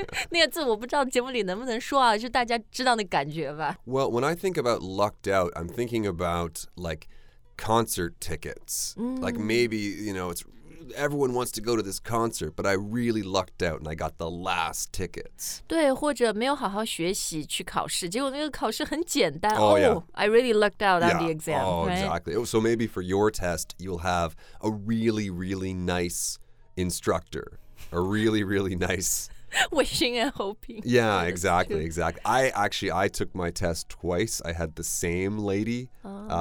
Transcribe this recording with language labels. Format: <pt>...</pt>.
<zh>那个字我不知道节目里能不能说啊，就大家知道那感觉吧。</zh> <en>Well, when I think about lucked out, I'm thinking about like concert tickets.、 Mm. Like maybe, you know, it's... Everyone wants to go to this concert, but I really lucked out and I got the last tickets.</en> <zh>对，或者没有好好学习去考试，结果那个考试很简单。</zh> <en>Oh, yeah. Oh, I really lucked out yeah, on the exam. Oh,、 right? exactly. So maybe for your test, you'll have a really, really nice instructor. A really, really nice... Wishing and hoping. Yeah, exactly, exactly. I took my test twice. I had the same lady、 oh.</en>